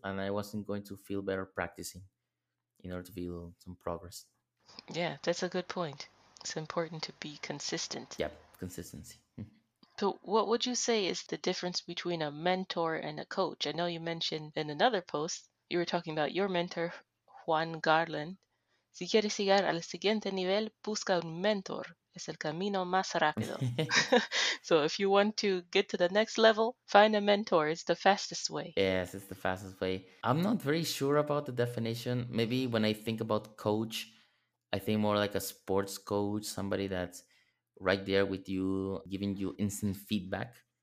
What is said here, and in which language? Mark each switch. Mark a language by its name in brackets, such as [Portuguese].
[English] And I wasn't going to feel better practicing in order to feel some progress. Yeah, that's a good point. It's important to be consistent. Yeah, consistency. So what would you say is the difference between a mentor and a coach? I know you mentioned in another post, you were talking about your mentor, Juan Garland. [Spanish] Si quieres llegar al siguiente nivel, busca un mentor. Es el camino más rápido. [English] So if you want to get to the next level, find a mentor. It's the fastest way. Yes, it's the fastest way. I'm not very sure about the definition. Maybe when I think about coach, I think more like a sports coach, somebody that's right there with you, giving you instant feedback.